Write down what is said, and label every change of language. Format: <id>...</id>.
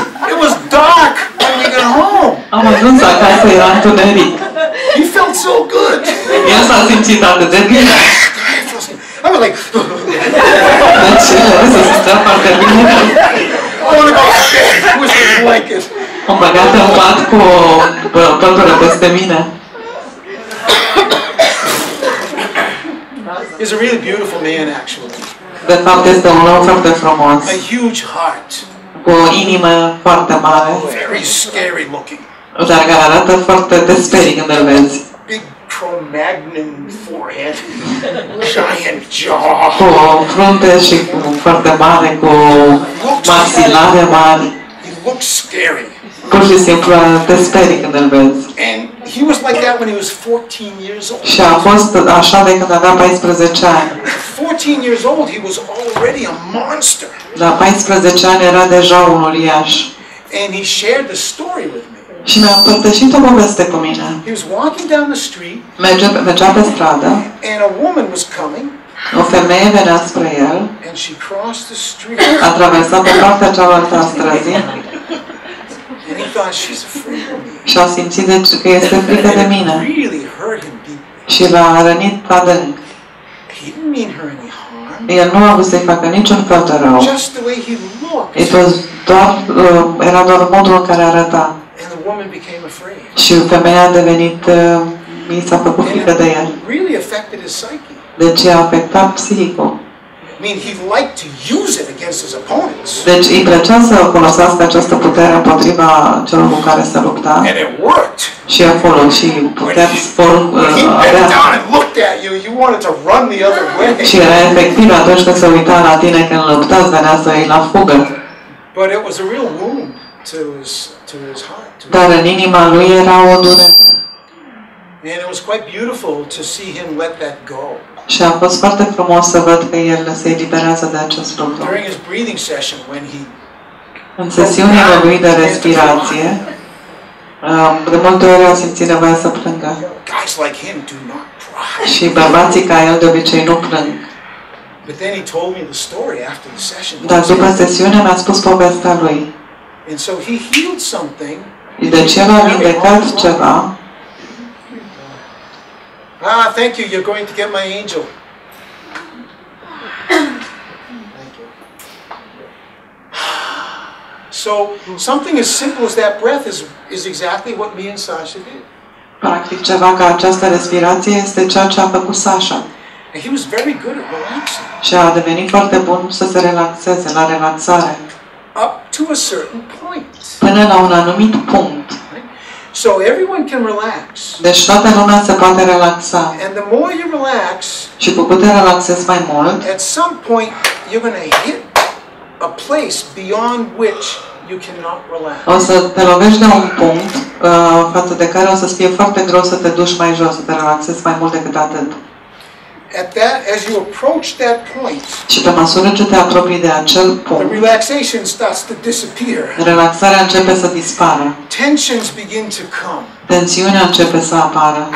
<en>It was dark when we got home.</en> <ro>Am ajuns acasă, era întuneric.</ro> <en>He felt so good.</en> <ro>Ea s-a simțit atât de bine.</ro> <en>I was like,</en> <ro>de ce? Să stea foarte bine. Am băgat în pat cu pătură peste mine.</ro> <en>He's a really beautiful man, actually.</en> <ro>De fapt, este un om foarte frumos.</ro> <en>A huge heart.</en> <ro>cu o inimă foarte mare.</ro> <en>Very scary looking.</en> <ro>Dar care arată foarte desperit când îl vezi.</ro> <en>Big Cro-Magnon forehead, giant jaw.</en> <ro>Cu o frunte și cu foarte mare, cu maxilare mari.</ro> <en>He looks scary.</en> <ro>Pur și simplu desperit când îl vezi.</ro> <en>And he was like that when he was 14 years old.</en> <ro>Și a fost așa de când avea 14 ani.</ro> <en>14 years old, he was already a monster.</en> <ro>La 14 ani era deja un uriaș.</ro> <en>And he shared the story with me.</en> <ro>Și mi-a împărtășit o poveste cu mine.</ro> <en>He was walking down the street.</en> <ro>Mergea pe stradă.</ro> <en>And a woman was coming.</en> <ro>O femeie venea spre el.</ro> <en>And she crossed the street.</en> <ro>A traversat pe partea cealaltă a străzii.</ro> <en>And he thought she's afraid of me.</en> <ro>Și a simțit că este frică de mine.</ro> <en>Really hurt him deeply.</en> <ro>Și l-a rănit adânc.</ro> <en>He didn't mean her any harm.</en> <ro>El nu a vrut să-i facă niciun fel de rău.</ro> <en>Just the way he looked. It was</en> <ro>doar, era doar modul în care arăta.</ro> <en>And the woman became afraid.</en> <ro>Și femeia a devenit, mi s-a făcut frică de el.</ro> <en>Really affected his psyche.</en> <ro>Deci a afectat psihicul.</ro> <en>I mean, he liked to use it against his opponents.</en> <ro>Deci îi plăcea să folosească această putere împotriva celor cu care se lupta.</ro> <en>And it worked.</en> <ro>Și a folosit puterea avea.</ro> <en>When he bent down and looked at you, you wanted to run the other way.</en> <ro>Și era efectiv atunci când se uita la tine când luptați, venea să iei la fugă.</ro> <en>But it was a real wound to his heart.</en> <ro>Dar în inima lui era o durere.</ro> <en>And it was quite beautiful to see him let that go.</en> <ro>Și a fost foarte frumos să văd că el se eliberează de acest lucru.</ro> <en>During his breathing session, when he</en> <ro>în sesiunea lui de respirație, de multe ori a simțit nevoia să plângă.</ro> <en>Guys like him do not cry.</en> <ro>Și bărbații ca el de obicei nu plâng.</ro> <en>But then he told me the story after the session.</en> <ro>Dar după sesiune mi-a spus povestea lui.</ro> <en>And so he healed something.</en> <ro>Deci el a vindecat ceva.</ro> <en>Ah, thank you. You're going to get my angel. Thank you. So, something as simple as that breath is exactly what me and Sasha did.</en> <ro>Practic, ceva ca această respirație este ceea ce a făcut Sasha.</ro> <en>And he was very good at relaxing.</en> <ro>Și a devenit foarte bun să se relaxeze, la relaxare.</ro> <en>Up to a certain point.</en> <ro>Până la un anumit punct.</ro> <en>So everyone can relax.</en> <ro>Deci toată lumea se poate relaxa.</ro> <en>And the more you relax,</en> <ro>și cu cât te relaxezi mai mult,</ro> <en>at some point you're going to hit a place beyond which you cannot relax.</en> <ro>O să te lovești de un punct față de care o să fie foarte greu să te duci mai jos, să te relaxezi mai mult decât atât.</ro> <en>At that, as you approach that point,</en> <ro>și pe măsură ce te apropii de acel punct,</ro> <en>the relaxation starts to disappear.</en> <ro>Relaxarea începe să dispară.</ro> <en>Tensions begin to come.</en> <ro>Tensiunea începe să apară.</ro>